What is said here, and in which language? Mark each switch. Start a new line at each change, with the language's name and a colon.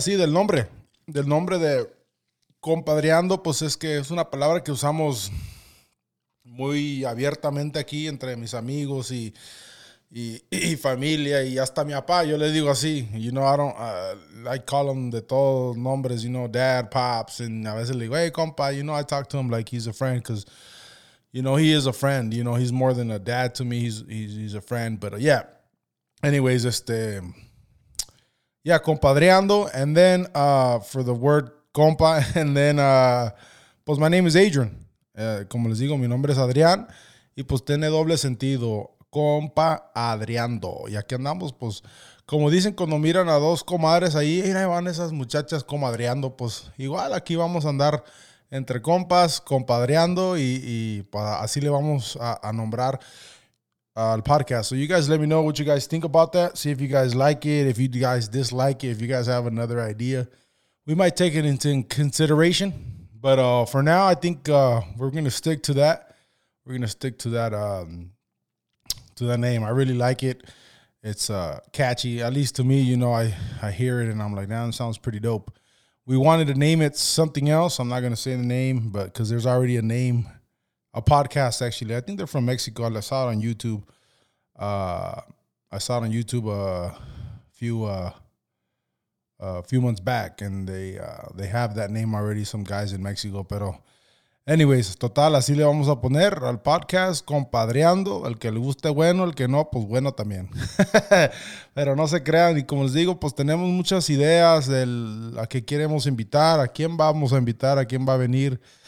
Spanish: Sí, del nombre de Compadreando, pues es que es una palabra que usamos muy abiertamente aquí entre mis amigos y familia y hasta mi papá. Yo le digo así,
English: you know, I call him
Spanish: de todos nombres,
English: you know, dad, pops, and
Spanish: a veces le digo,
English: hey, compa, you know, I talk to him like he's a friend, because, you know, he is a friend, you know, he's more than a dad to me, he's a friend, but yeah. Anyways, compadreando, and then for the word compa, and then, pues my name is Adrian.
Spanish: Como les digo, mi nombre es Adrián, y pues tiene doble sentido, compa Adriando. Y aquí andamos, pues, como dicen cuando miran a dos comadres ahí, mira, van esas muchachas comadreando, pues igual aquí vamos a andar entre compas, compadreando, y pues, así le vamos a nombrar al podcast.
English: So you guys let me know what you guys think about that. See if you guys like it, if you guys dislike it, if you guys have another idea. We might take it into consideration. But for now, I think we're going to stick to that. We're going to stick to that name. I really like it. It's catchy, at least to me. You know, I hear it and I'm like, damn, it sounds pretty dope. We wanted to name it something else. I'm not going to say the name, but because there's already a name, a podcast, actually. I think they're from Mexico. I saw it on YouTube. I saw it on YouTube a few a few months back, and they have that name already, some guys in Mexico.
Spanish: Pero, anyways, total, así le vamos a poner al podcast, compadreando. El que le guste, bueno. El que no, pues bueno también. Pero no se crean. Y como les digo, pues tenemos muchas ideas a qué queremos invitar, a quién vamos a invitar, a quién va a venir.